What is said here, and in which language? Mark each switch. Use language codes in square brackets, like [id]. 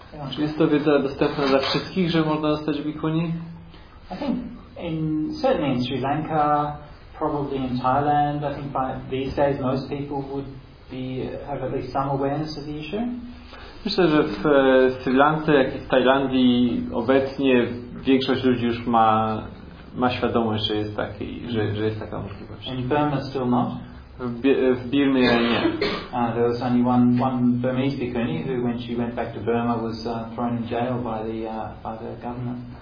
[pl] Czy jest to wiedza dostępna dla wszystkich, że można zostać bhikkhuni? [en] I think certainly in Sri Lanka, probably in Thailand. I think by these days most people would have at least some awareness of the issue. [pl] Myślę, że w Sri Lance, jak i w Tajlandii obecnie większość ludzi już ma świadomość, że jest taki, że jest taka możliwość. [en] In Burma still not? [pl] W Birmie nie. [en] There was only one Burmese bhikkhuni who, when she went back to Burma, was thrown in jail by the government.